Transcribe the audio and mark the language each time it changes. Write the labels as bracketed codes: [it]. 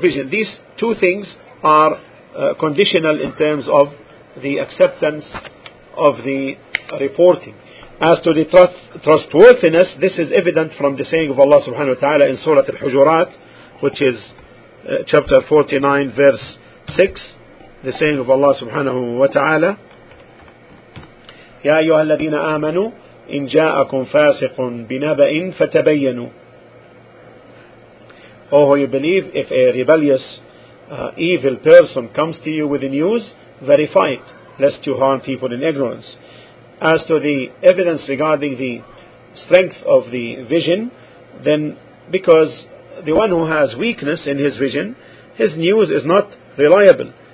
[en] These two things are conditional in terms of the acceptance of the reporting. As to the trustworthiness, this is evident from the saying of Allah subhanahu wa ta'ala in Surah Al-Hujurat, which is chapter 49, verse 6. The saying of Allah subhanahu wa ta'ala, [ar] يَا أَيُّهَا الَّذِينَ آمَنُوا إِن جَاءَكُمْ فَاسِقٌ بِنَبَئٍ فَتَبَيَّنُوا. [en] Oh, who you believe, if a rebellious, evil person comes to you with the news, verify it, lest you harm people in ignorance. As to the evidence regarding the strength of the vision, then because the one who has weakness in his vision, his news is not reliable.